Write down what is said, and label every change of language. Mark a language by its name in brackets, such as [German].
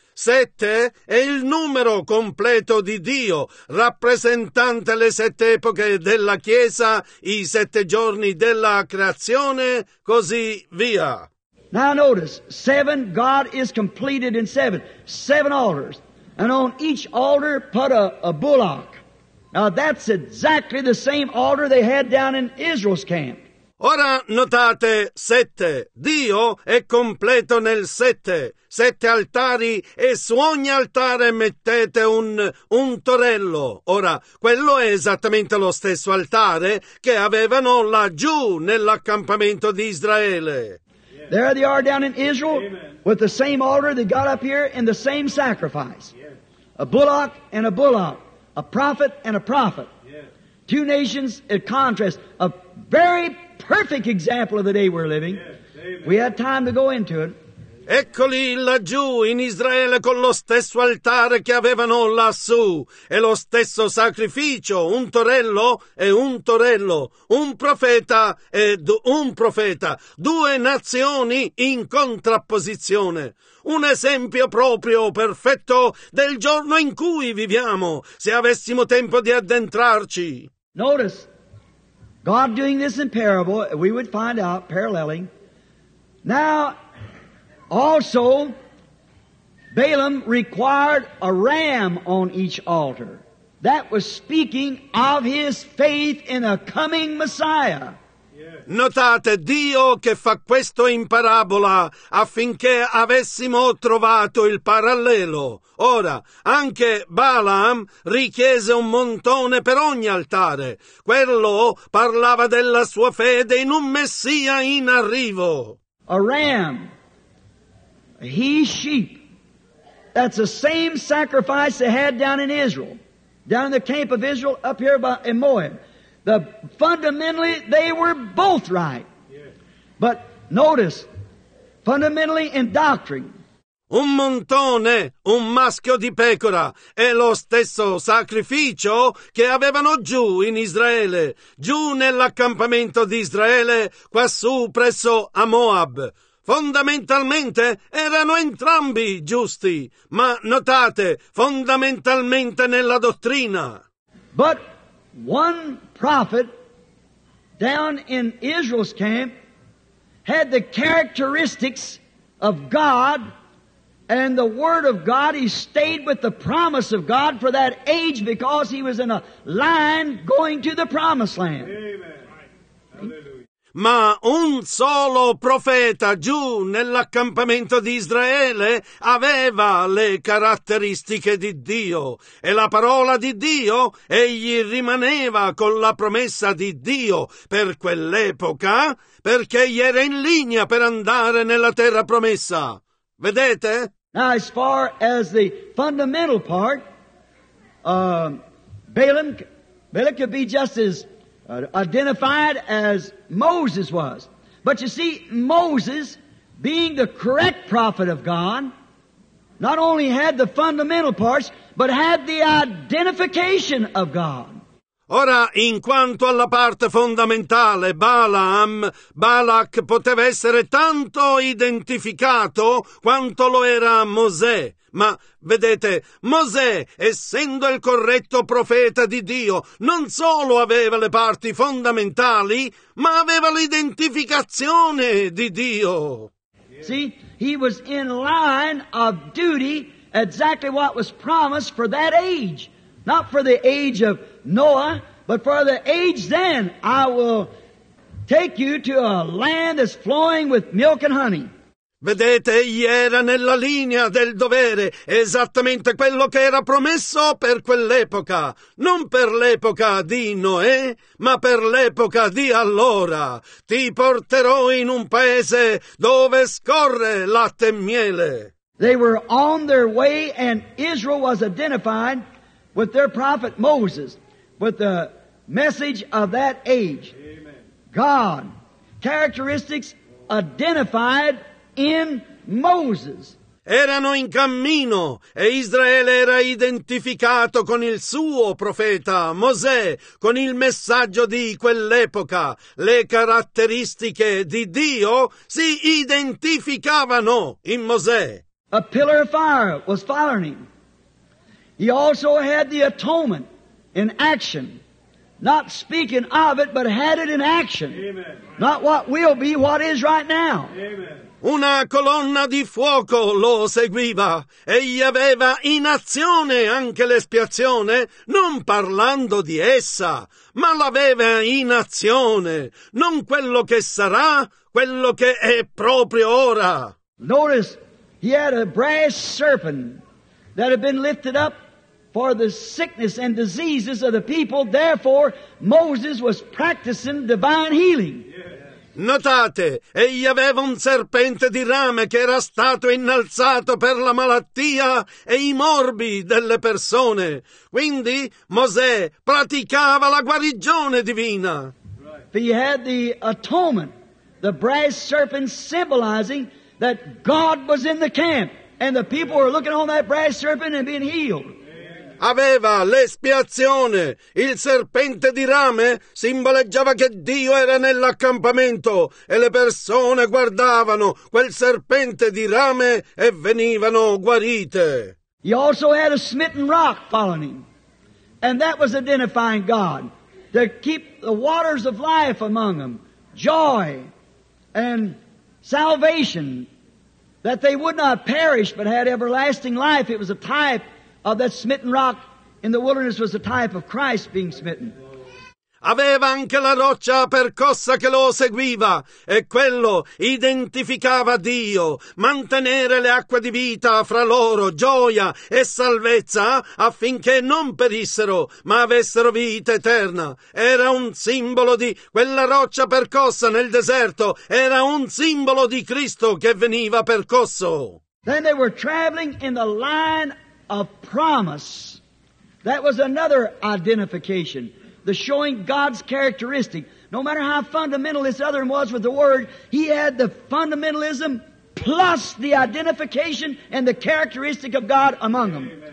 [Italian] 7 è il numero completo di Dio, rappresentante le 7 epoche della Chiesa, i 7 giorni della creazione, così via. [English] Now notice, 7, God is completed in 7. 7 altars, and on each altar put a bullock. Now that's exactly the same altar they had down in Israel's camp. [Italian] Ora notate, 7, Dio è completo nel 7, 7 altari e su ogni altare mettete un torello. Ora, quello è esattamente lo stesso altare che avevano laggiù nell'accampamento di Israele. [English] There they are down in Israel. Amen. With the same altar they got up here and the same sacrifice. Yes. A bullock and a bullock, a prophet and a prophet. Yes. Two nations in contrast, a very perfect example of the day we're living. Yes. We had time to go into it. [Italian] Eccoli laggiù in Israele con lo stesso altare che avevano lassù e lo stesso sacrificio, un torello e un torello, un profeta ed un profeta, due nazioni in contrapposizione. Un esempio proprio perfetto del giorno in cui viviamo, se avessimo tempo di addentrarci. [English] Notice, God doing this in parable, we would find out, paralleling. Now, also, Balaam required a ram on each altar. That was speaking of his faith in a coming Messiah. [Italian] Notate, Dio che fa questo in parabola affinché avessimo trovato il parallelo. Ora, anche Balaam richiese un montone per ogni altare. Quello parlava della sua fede in un Messia in arrivo. [English] A ram. He sheep. That's the same sacrifice they had down in Israel, down in the camp of Israel, up here by Moab. Fundamentally, they were both right. Yes. But notice, fundamentally in doctrine. [Italian] Un montone, un maschio di pecora, è lo stesso sacrificio che avevano giù in Israele, giù nell'accampamento di Israele, quassù presso a Moab. Fondamentalmente erano entrambi giusti, ma notate, fondamentalmente nella dottrina. [English] But one prophet down in Israel's camp had the characteristics of God and the Word of God. He stayed with the promise of God for that age because he was in a line going to the promised land. Amen. Hallelujah. [Italian] Ma un solo profeta giù nell'accampamento di Israele aveva le caratteristiche di Dio e la parola di Dio, egli rimaneva con la promessa di Dio per quell'epoca perché egli era in linea per andare nella terra promessa. Vedete? [English] Now as far as the fundamental part, Balaam could be just as identified as Moses was. But you see, Moses, being the correct prophet of God, not only had the fundamental parts, but had the identification of God. [Italian] Ora, in quanto alla parte fondamentale, Balaam, Balak poteva essere tanto identificato quanto lo era Mosè. Ma, vedete, Mosè, essendo il corretto profeta di Dio, non solo aveva le parti fondamentali, ma aveva l'identificazione di Dio. [English] See, he was in line of duty, exactly what was promised for that age. Not for the age of Noah, but for the age then, I will take you to a land that's flowing with milk and honey. [Italian] Vedete, egli era nella linea del dovere, esattamente quello che era promesso per quell'epoca. Non per l'epoca di Noè, ma per l'epoca di allora. Ti porterò in un paese dove scorre latte e miele. [English] They were on their way, and Israel was identified with their prophet Moses, with the message of that age. Amen. God, characteristics identified in Moses. [Italian] Erano in cammino e Israele era identificato con il suo profeta Mosè, con il messaggio di quell'epoca. Le caratteristiche di Dio si identificavano in Mosè. [English] A pillar of fire was following him. He also had the atonement in action. Not speaking of it, but had it in action. Amen. Not what will be, what is right now. Amen. [Italian] Una colonna di fuoco lo seguiva. Egli aveva in azione anche l'espiazione, non parlando di essa, ma l'aveva in azione. Non quello che sarà, quello che è proprio ora. [English] Notice, he had a brass serpent that had been lifted up for the sickness and diseases of the people. Therefore, Moses was practicing divine healing. [Italian] Notate, egli aveva un serpente di rame che era stato innalzato per la malattia e i morbi delle persone. Quindi, Mosè praticava la guarigione divina. [English] He had the atonement, the brass serpent symbolizing that God was in the camp. And the people were looking on that brass serpent and being healed. [Italian] Aveva l'espiazione, il serpente di rame simboleggiava che Dio era nell'accampamento e le persone guardavano quel serpente di rame e venivano guarite. [English] He also had a smitten rock following him, and that was identifying God to keep the waters of life among them, joy and salvation, that they would not perish but had everlasting life. It was a type of that smitten rock in the wilderness, was a type of Christ being smitten. [Italian] Aveva anche la roccia percossa che lo seguiva, e quello identificava Dio. Mantenere le acque di vita fra loro, gioia e salvezza, affinché non perissero, ma avessero vita eterna. Era un simbolo di quella roccia percossa nel deserto, era un simbolo di Cristo che veniva percosso. [English] Then they were traveling in the line of promise. That was another identification. The showing God's characteristic. No matter how fundamental this other one was with the Word, he had the fundamentalism plus the identification and the characteristic of God among them.